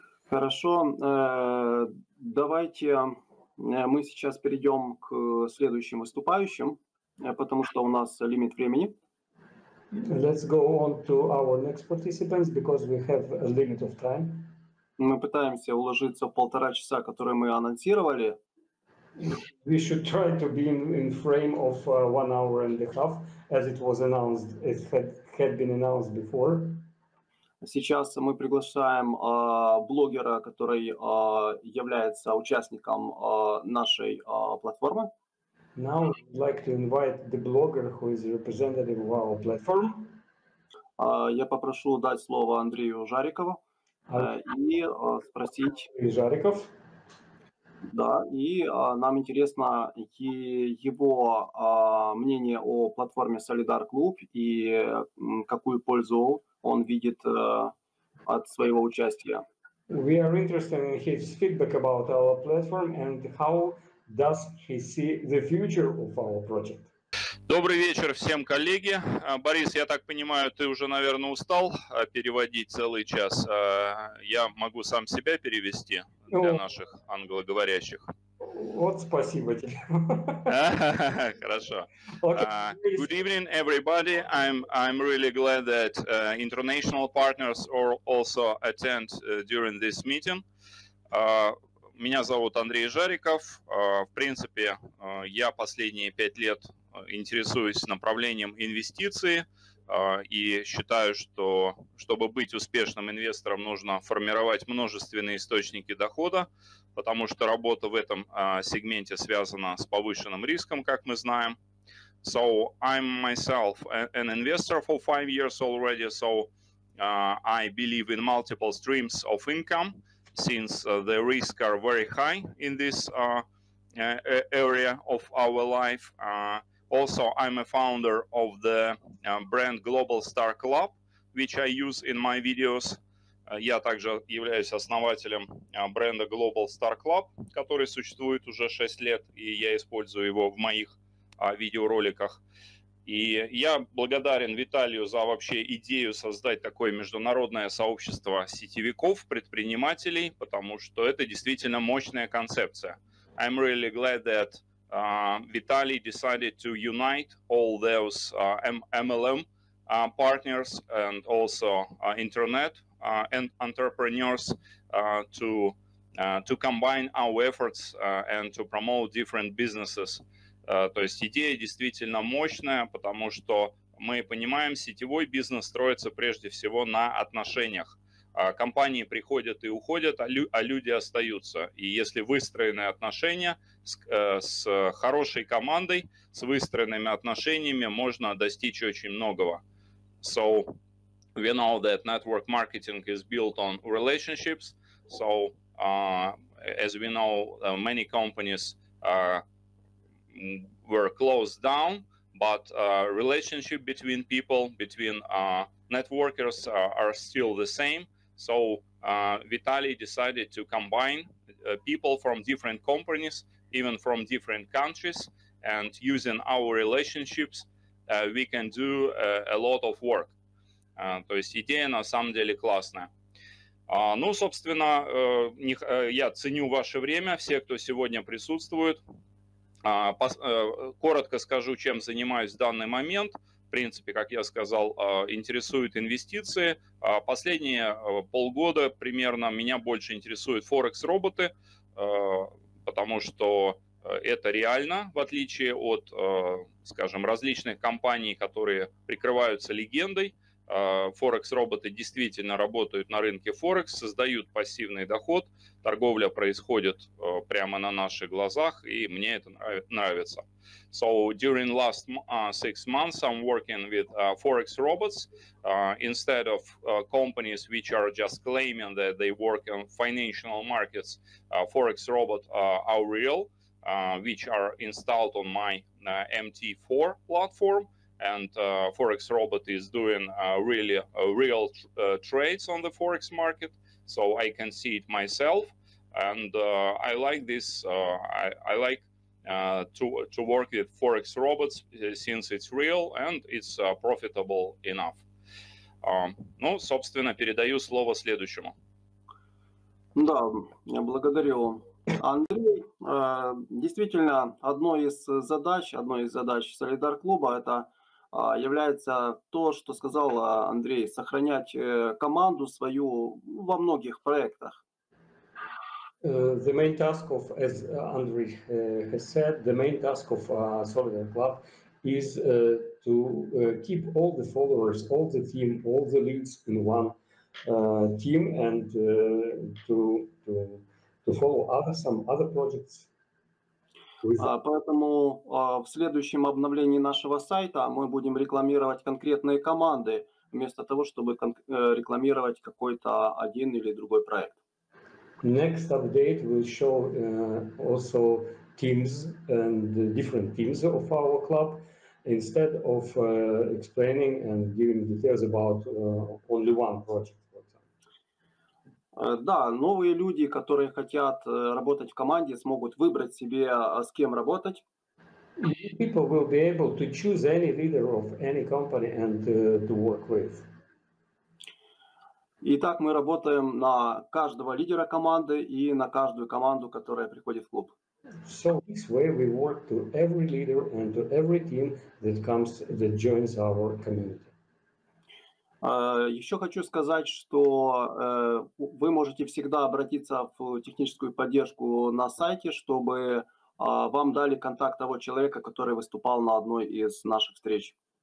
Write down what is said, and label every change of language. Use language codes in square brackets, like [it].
[ru] Хорошо, давайте мы сейчас перейдем к следующим выступающим, потому что у нас лимит времени. [en] Let's go on to our next participants, because we have a limit of time. [ru] Мы пытаемся уложиться в полтора часа, которые мы анонсировали. [en] We should try to be in frame of one hour and a half, as it was announced, it had been announced before. [ru] Сейчас мы приглашаем блогера, который является участником нашей платформы. [en] Now I'd like to invite the blogger who is representative of our platform. [ru] Я попрошу дать слово Андрею Жарикову и спросить. Жариков. Да, и нам интересно его мнение о платформе Solidar Club и какую пользу он видит от своего участия. [en] We are interested in his feedback about our platform and how does he see the future of our project. [ru] Добрый вечер всем, коллеги. Борис, я так понимаю, ты уже, наверное, устал переводить целый час. Я могу сам себя перевести для наших англоговорящих. Вот, спасибо тебе. Хорошо. [en] Good evening, everybody. I'm really glad that international partners also attend during this meeting. [ru] Меня зовут Андрей Жариков. В принципе, я последние 5 лет интересуюсь направлением инвестиций и считаю, что чтобы быть успешным инвестором, нужно формировать множественные источники дохода, потому что работа в этом сегменте связана с повышенным риском, как мы знаем. [en] So I'm myself an investor for 5 years already, so I believe in multiple streams of income, since the risks are very high in this area of our life. Also, I'm a founder of the brand Global Star Club, which I use in my videos. [ru] Я также являюсь основателем бренда Global Star Club, который существует уже 6 лет, и я использую его в моих видеороликах. И я благодарен Виталию за вообще идею создать такое международное сообщество сетевиков, предпринимателей, потому что это действительно мощная концепция. [en] I'm really glad that Vitaly decided to unite all those MLM partners and also internet and entrepreneurs to combine our efforts and to promote different businesses. [ru] То есть идея действительно мощная, потому что мы понимаем, сетевой бизнес строится прежде всего на отношениях. Компании приходят и уходят, а люди остаются. И если выстроены отношения с хорошей командой, с выстроенными отношениями, можно достичь очень многого. [en] So we know that network marketing is built on relationships. So as we know, many companies were closed down, but relationship between people, between networkers are still the same. So Vitaly decided to combine people from different companies, even from different countries, and using our relationships, we can do a lot of work. [ru] То есть идея на самом деле классная. Ну, собственно, я ценю ваше время, все, кто сегодня присутствует. Коротко скажу, чем занимаюсь в данный момент. В принципе, как я сказал, интересуют инвестиции. Последние полгода примерно меня больше интересуют Форекс-роботы, потому что это реально, в отличие от, скажем, различных компаний, которые прикрываются легендой. Форекс-роботы действительно работают на рынке Форекс, создают пассивный доход, торговля происходит прямо на наших глазах, и мне это нравится. [en] So during last 6 months I'm working with Forex robots instead of companies which are just claiming that they work in financial markets. Forex robot are real, which are installed on my MT4 platform, and Forex robot is doing really real trades on the Forex market, so I can see it myself, and I like this. I like to work with Forex robots since it's real and it's profitable enough. [ru] Ну, собственно, передаю слово следующему. Да, я благодарю, Андрей. Действительно, одной из задач Solidar клуба это является то, что сказал Андрей, сохранять команду свою во многих проектах. [en] The main task of, as Andrei has said, the main task of Solidar Club is to keep all the followers, all the team, all the leads in one team and to follow some other projects. [ru] Поэтому в следующем обновлении нашего сайта мы будем рекламировать конкретные команды вместо того, чтобы рекламировать какой-то один или другой проект. [en] Next update will show also teams and different teams of our club instead of explaining and giving details about only one project. [ru] Да, новые люди, которые хотят работать в команде, смогут выбрать себе, с кем работать. [en] People will be able to choose any leader of any company and to work with. [ru] Итак, мы работаем на каждого лидера команды и на каждую команду, которая приходит в клуб. [en] So this way we work to every leader and to every team that joins our community. [ru] Еще хочу сказать, что вы можете всегда обратиться в техническую поддержку на сайте, чтобы вам дали контакт того человека, который выступал на одной из наших встреч.